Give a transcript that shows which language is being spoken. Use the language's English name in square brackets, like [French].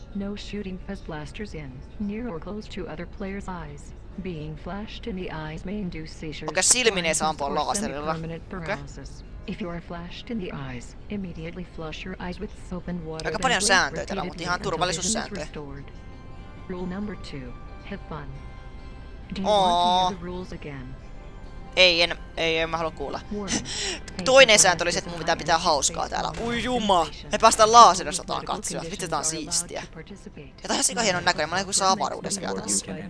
[English] no shooting fuzz blasters in, near or close to other players' eyes. Being flashed in the eyes may induce seizures. [Finnish] Okay, silmin ei saa ampua laserilla. Okay. [English] If you are flashed in the eyes, immediately flush your eyes with soap and water. [Finnish] Aika paljon sääntöjä täällä, mutta ihan turvallisuussääntöjä. [English] Rule number two, have fun. Do you want to hear the rules again? [Finnish] Ei, en mä halua kuulla. Toinen sääntö oli se, että mun pitää pitää hauskaa täällä. Ui jumma! Me päästään laserisotaan katsoa. Vittu, tää on siistiä. Ja tää on ihan hienon näköinen. Mä olen kuin avaruudessa vielä tässä.